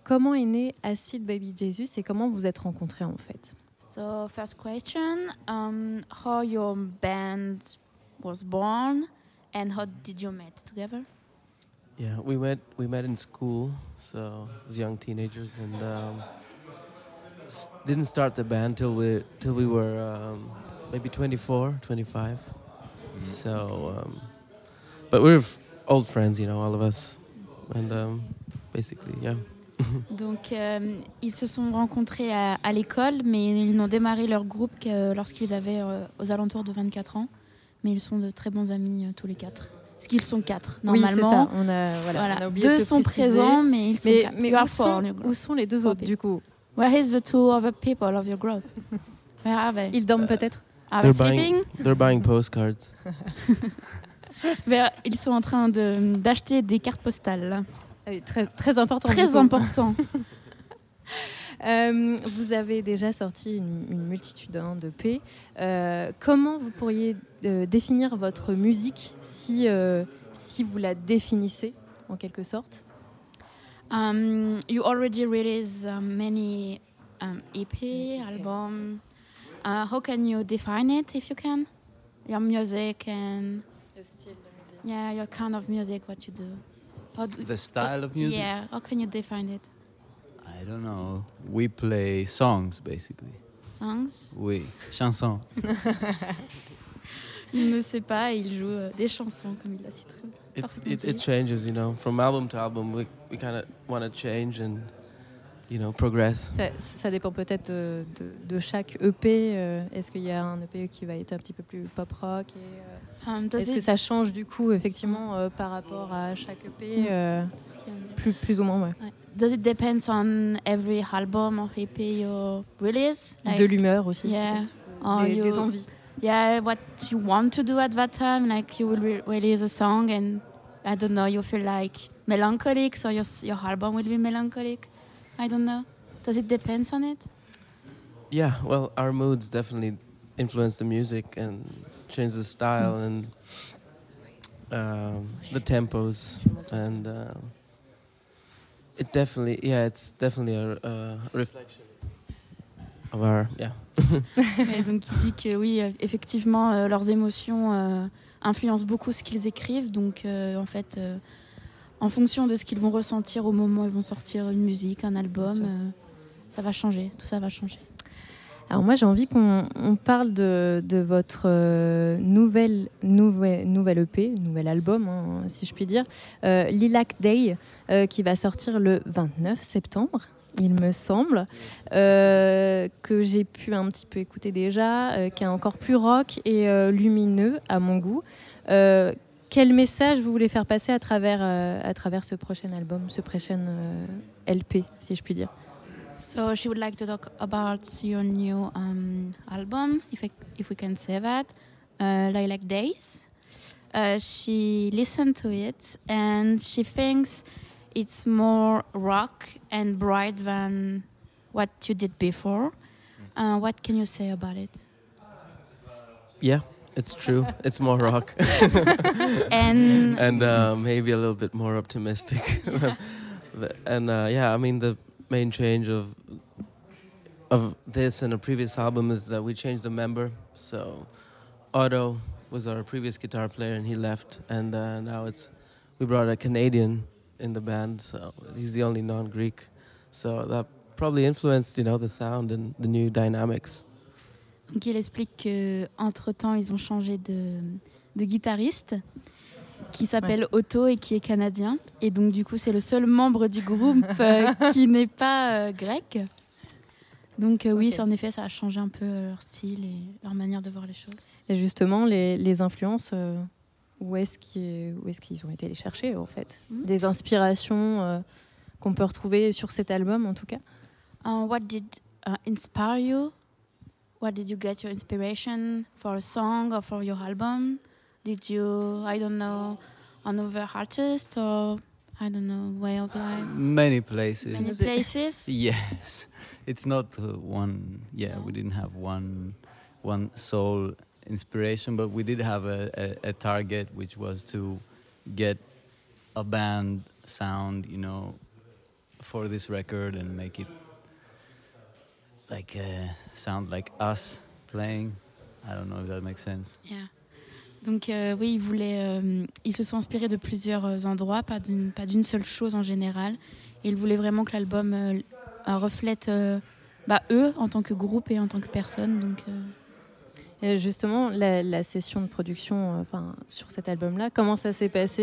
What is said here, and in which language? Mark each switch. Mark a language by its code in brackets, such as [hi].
[fr] Comment est né Acid Baby Jesus et comment vous êtes rencontrés en fait? [en] So first question, how your band was born and how did you meet together? Yeah, we met in school, so as young teenagers, and didn't start the band till we were maybe 24, 25. Mm-hmm. So, but we're old friends, you know, all of us, and basically, yeah. [fr] Donc, ils se sont rencontrés à l'école, mais ils n'ont démarré leur groupe que lorsqu'ils avaient aux alentours de 24 ans. Mais ils sont de très bons amis tous les quatre. Parce qu'ils sont quatre, normalement. Oui, c'est ça. On a, voilà. On a oublié deux de sont préciser. Présents, mais ils sont mais quatre. Mais où sont les deux autres, du coup? [en] Where is the two other people of your group? Where are they? [fr] Ils dorment peut-être? [en] Are they sleeping? They're buying postcards. [fr] Mais ils sont en train d'acheter des cartes postales. Très, très important. Très important. Vous avez déjà sorti une multitude de P. Comment vous pourriez définir votre musique si vous la définissez en quelque sorte? [en] You already released many EP album. How can you define it if you can? Your music and your style de [fr] musique. [en] Yeah, your kind of music, what you do. The style of music. Yeah, how can you define it? I don't know. We play songs, basically. Songs? [fr] Oui, chansons. Il ne sait pas, il joue des chansons, comme il l'a cité. [en] It changes, you know, from album to album. We kind of want to change and, you know, progress. [fr] Ça dépend peut-être de chaque EP. Est-ce qu'il y a un EP qui va être un petit peu plus pop rock et, est-ce que ça change du coup, effectivement, par rapport à chaque EP, plus ou moins, ouais. [en] Does it depend on every album or EP you release? [fr] Like, de l'humeur aussi, [en] yeah. [fr] Des envies. [en] Yeah, what you want to do at that time, like you will release a song and I don't know, you feel like melancholic, so your album will be melancholic. I don't know. Does it depend on it? Yeah, well, our moods definitely influence the music and change the style and the tempos and it's definitely a reflection of our yeah. [fr] Et donc il dit que oui, effectivement leurs émotions influencent beaucoup ce qu'ils écrivent, donc en fait en fonction de ce qu'ils vont ressentir au moment où ils vont sortir une musique, un album, ça va changer, tout ça va changer. Alors moi j'ai envie qu'on parle de votre nouvelle EP, nouvel album hein, si je puis dire, Lilac Day, qui va sortir le 29 septembre, il me semble, que j'ai pu un petit peu écouter déjà, qui est encore plus rock et lumineux à mon goût. Quel message vous voulez faire passer à travers ce prochain album, ce prochain LP si je puis dire? [en] So she would like to talk about your new album, if we can say that, Lilac Days. She listened to it and she thinks it's more rock and bright than what you did before. What can you say about it? Yeah, it's true. It's more rock. and maybe a little bit more optimistic. Yeah. The main change of this and a previous album is that we changed the member. So Otto was our previous guitar player and he left, and now we brought a Canadian in the band, so he's the only non-Greek, so that probably influenced, you know, the sound and the new dynamics. [fr] Donc il explique que entre-temps ils ont changé de guitariste qui s'appelle Otto et qui est canadien. Et donc, du coup, c'est le seul membre du groupe qui n'est pas grec. Donc oui, okay. En effet, ça a changé un peu leur style et leur manière de voir les choses. Et justement, les influences, où est-ce qu'ils ont été les chercher, en fait? Des inspirations qu'on peut retrouver sur cet album, en tout cas. [en] What did inspire you? What did you get your inspiration for a song or for your album? Did you, I don't know, another artist or I don't know, way of life? Many places. Many places? Yes. It's not one. Yeah, no. We didn't have one sole inspiration, but we did have a target, which was to get a band sound, you know, for this record and make it like sound like us playing. I don't know if that makes sense. Yeah. [fr] Donc oui, ils se sont inspirés de plusieurs endroits, pas d'une seule chose en général. Et ils voulaient vraiment que l'album reflète eux en tant que groupe et en tant que personne. Donc Et justement, la session de production sur cet album-là, comment ça s'est passé?